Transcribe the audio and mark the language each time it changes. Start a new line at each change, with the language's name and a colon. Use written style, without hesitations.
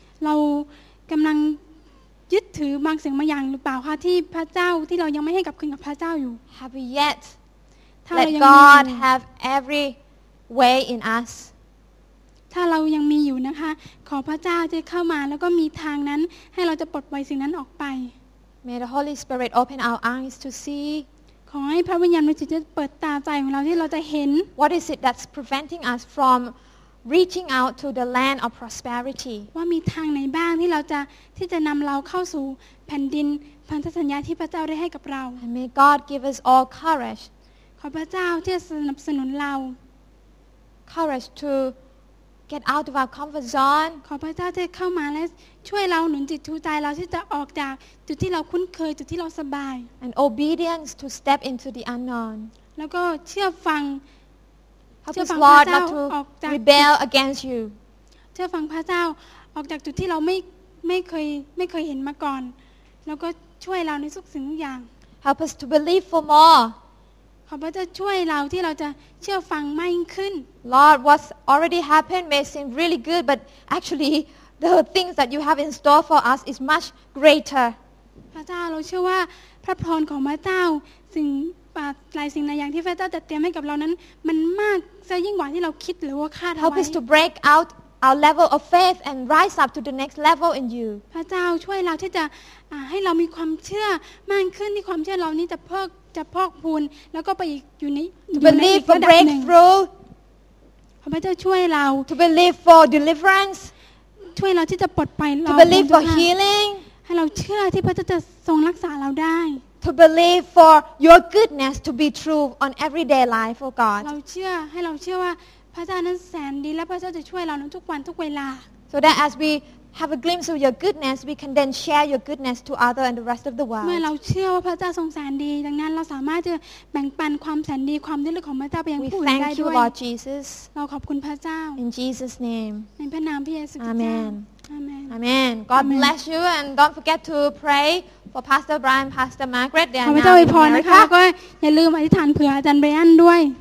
Thai: เรากำลังยึดถือบางสิ่งบางอย่างหรือเปล่าคะที่พระเจ้าที่เรายังไม่ให้กับคืนกับพระเจ้าอยู่
English: Have we yet let God have every way in us
Thai: ถ้าเรายังมีอยู่นะคะขอพระเจ้าจะเข้ามาแล้วก็มีทางนั้นให้เราจะปลดปล่อยสิ่งนั้นออกไป
English: May the Holy Spirit open our eyes to see
Thai: ขอให้พระวิญญาณบริสุทธิ์เปิดตาใจของเราที่เราจะเห็น
English: What is it that's preventing us from reaching out to the land of prosperity
Thai: ว่ามีทางไหนบ้างที่จะนำเราเข้าสู่แผ่นดินพันธสัญญาที่พระเจ้าได้ให้กับเรา
English: And may God give us all courage
Thai: ขอพระเจ้าที่สนับสนุนเรา
English: courage toGet out of our comfort zone.
Thai: ขอพระเจ้าที่เข้ามาและช่วยเราหนุนจิตชูใจเราที่จะออกจากจุดที่เราคุ้นเคยจุดที่เราสบาย
English: And obedience to step into the unknown.
Thai: แล้วก็เชื่อฟัง เชื่อฟังพระเจ้าออกจาก
English: rebel against you.
Thai: เชื่อฟังพระเจ้าออกจากจุดที่เราไม่เคยเห็นมาก่อนแล้วก็ช่วยเราในทุกสิ่งทุกอย่าง
English: Help us to believe for more.
Thai: ขอพระเจ้าช่วยเราที่เราจะเชื่อฟังมากยิ่งขึ้น
English: Lord what's already happened may seem really good but actually the things that you have in store for us is much greater
Thai: พระเจ้าเราเชื่อว่าพระพรของพระเจ้าสิ่งปาหลายสิ่งหลายอย่างที่พระเจ้าจัดเตรียมให้กับเรานั้นมันมากซะยิ่งกว่าที่เราคิดหรือว่าคาดไว้
English: Help us to break out our level of faith and rise up to the next level in you
Thai: พระเจ้าช่วยเราที่จะให้เรามีความเชื่อมากขึ้นที่ความเชื่อเรานี้จะพอกพูนแล้วก็ไปอีกอยู่ใน ระดับหนึ่ง
English: To believe for breakthrough
Thai: พระเจ้าช่วยเรา
English: To believe for deliverance
Thai: ช่วยเราที่จะปลดปล่อยเรา
English: To believe for healing
Thai: ให้เราเชื่อที่พระเจ้าจะทรงรักษาเราได้
English: To believe for your goodness to be true on everyday life for God
Thai: เราเชื่อให้เราเชื่อว่าพระเจ้านั้นแสนดีและพระเจ้าจะช่วยเราในทุกวันทุกเวลา
English: So that as we have a glimpse of your goodness we can then share your goodness to other and the rest of the world
Thai: เมื่อเราเชื่อว่าพระเจ้าทรงแสนดีดังนั้นเราสามารถจะแบ่งปันความแสนดีความดีของพระเจ้าไปยังผู้อื่นได้ด้วย
English: We thank you Lord Jesus
Thai: เราขอบคุณพระเจ้า
English: In Jesus name
Thai: ในพระนามพระเยซูคริสต์
English: Amen Amen Amen God Amen. bless you and don't forget to pray for Pastor Brian Pastor Margaret
Thai: ขอพระเจ้าอวยพรนะคะก็อย่าลืมอธิษฐานเผื่ออาจารย์ไบรอันด้วย